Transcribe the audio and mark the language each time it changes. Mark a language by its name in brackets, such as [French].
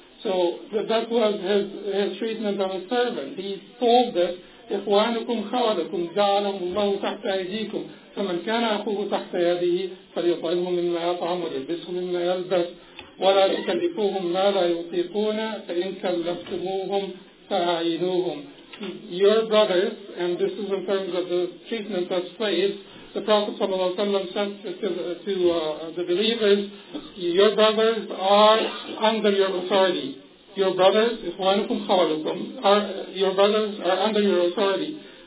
[English] So that was his treatment of his servant. He told this, [Arabic] "إخوانكم خوالكم جعلهم الله تحت أيديكم فمن كان أخوه تحت يديه فليطعمه مما يطعم وليلبسه مما يلبس ولا تكلفوهم ما لا يطيقون فإن كلفتموهم فأعينوهم." [English] Your brothers, and this is in terms of the treatment of slaves, the Prophet صلى الله عليه وسلم said to the believers, "Your brothers are under your authority. Your brothers, [Arabic] إخوانكم خوالكم, [English] your brothers are under your authority.